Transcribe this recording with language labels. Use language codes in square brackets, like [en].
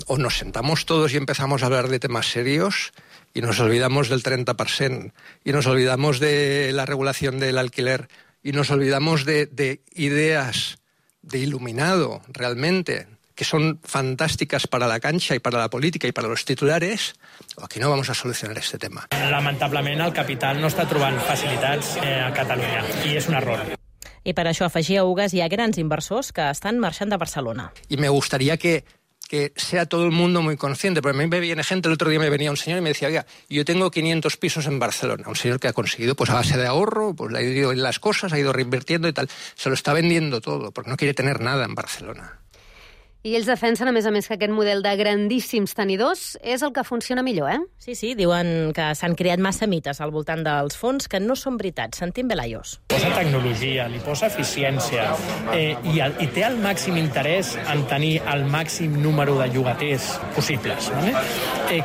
[es] O nos sentamos todos y empezamos a hablar de temas serios, y nos olvidamos del 30%, y nos olvidamos de la regulación del alquiler, y nos olvidamos de ideas de iluminado, realmente, que son fantásticas para la cancha y para la política y para los titulares, o aquí no vamos a solucionar este tema. [ca] Lamentablement, el capital no està trobant facilitats a Catalunya, i és un error. I per això, afegia Ugas, hi ha grans inversors que estan marxant de Barcelona. [es] Y me gustaría que que sea todo el mundo muy consciente. Porque a mí me viene gente, el otro día me venía un señor y me decía, oiga, yo tengo 500 pisos en Barcelona. Un señor que ha conseguido, pues a base de ahorro, pues le ha ido en las cosas, ha ido reinvirtiendo y tal. Se lo está vendiendo todo, porque no quiere tener nada en Barcelona. [ca] I ells defensen, a més que aquest model de grandíssims tenidors és el que funciona millor, eh? Sí, sí, diuen que s'han creat massa mites al voltant dels fons que no són veritat. Sentim bé la IOS. Posa tecnologia, li posa eficiència i té el màxim interès en tenir el màxim número de llogaters possibles. Vale?